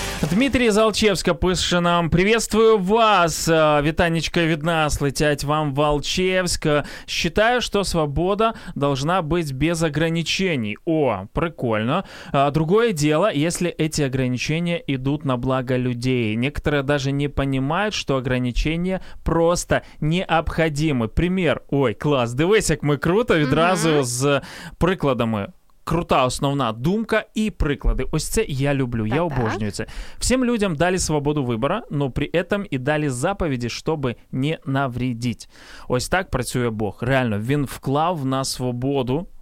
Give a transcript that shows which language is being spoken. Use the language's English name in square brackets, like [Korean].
[Ukrainian] Дмитрий Залчевська пише нам: «Приветствую вас! Вітанечка від нас, летять вам в Алчевск. [Russian] Считаю, что свобода должна быть без ограничений». О, прикольно. Другое дело, если эти ограничения идут на благо людей. Некоторые даже не понимают, что ограничения просто необходимы. Пример. [Ukrainian] Ой, класс, дивись, як ми круто відразу з прикладами. Крута основна думка і приклади. Ось це я люблю, так, я обожнюю це. Всім людям дали свободу вибору, но при этом і дали заповіді, щоб не навредити. Ось так працює Бог. Реально, він вклав на свободу.